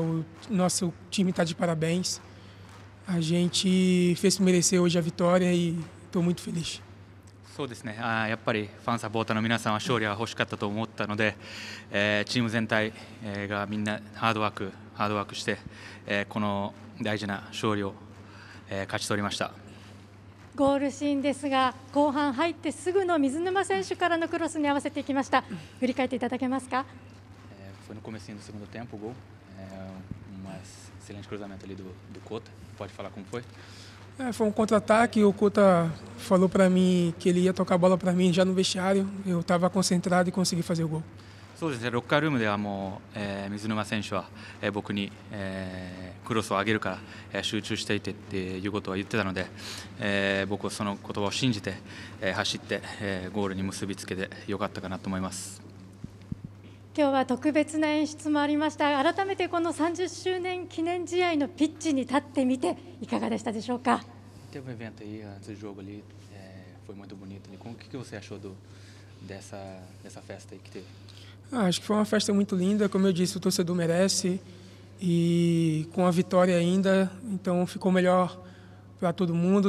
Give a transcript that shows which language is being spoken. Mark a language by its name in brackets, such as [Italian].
[Portuguese] O nosso time está de parabéns. A gente fez merecer hoje a vitória e estou muito feliz. [Japanese] そうですね、やっぱりファンサポーターの皆さんは勝利は欲しかったと思ったので、チーム全体がみんなハードワークして、この大事な勝利を、勝ち取りました。ゴールシーンですが、後半入ってすぐの水沼選手からのクロスに合わせていきました。振り返っていただけますか。 [Portuguese] Foi no comecinho do segundo tempo, gol. Um excelente cruzamento ali do Cota. Pode falar como foi? Foi um contra-ataque, o Cota falou para mim que ele ia tocar a bola para mim já no vestiário. Eu estava concentrado e consegui fazer o gol. [Japanese] そうですね、ロッカールームではもう、水沼選手は、僕に、クロスを上げるから、集中していてっていうことは言ってたので、僕はその言葉を信じて、走って、ゴールに結びつけてよかったかなと思います。今日は特別な演出もありました。改めてこの30周年記念試合のピッチに立ってみていかがでしたでしょうか。 [Portuguese] Teve um evento aí antes do jogo ali, foi muito bonito. O que você achou dessa festa aí que teve? Acho que foi uma festa muito linda. Como eu disse, o torcedor merece. E com a vitória ainda, então ficou melhor para todo mundo.